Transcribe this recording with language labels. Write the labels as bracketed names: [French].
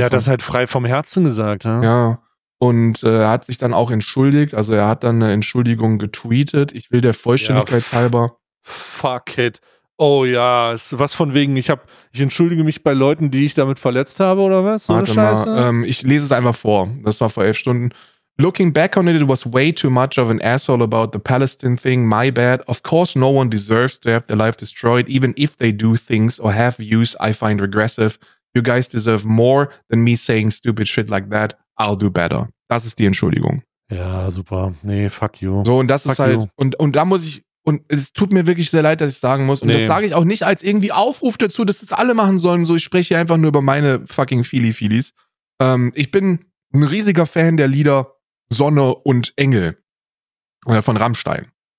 [German] Er hat das halt frei vom Herzen gesagt, ja. Ja. Und er hat sich dann auch entschuldigt, also er hat dann eine Entschuldigung getweetet. Ich will der Vollständigkeit halber. [English] Fuck it. [German] Oh ja, ist was von wegen, ich entschuldige mich bei Leuten, die ich damit verletzt habe oder was? Warte mal, Scheiße? Ich lese es einfach vor. Das war vor 11 Stunden. [English] Looking back on it, it was way too much of an asshole about the Palestine thing. My bad. Of course, no one deserves to have their life destroyed, even if they do things or have views I find regressive. You guys deserve more than me saying stupid shit like that. I'll do better. [German] Das ist die Entschuldigung. Ja, super. Nee, [English] fuck you. [German] So, und das [English] fuck [German] ist halt, und da muss ich, und es tut mir wirklich sehr leid, dass ich sagen muss, und nee. Das sage ich auch nicht als irgendwie Aufruf dazu, dass das alle machen sollen, so, ich spreche hier einfach nur über meine fucking Feelies. Ich bin ein riesiger Fan der Lieder Sonne und Engel von Rammstein.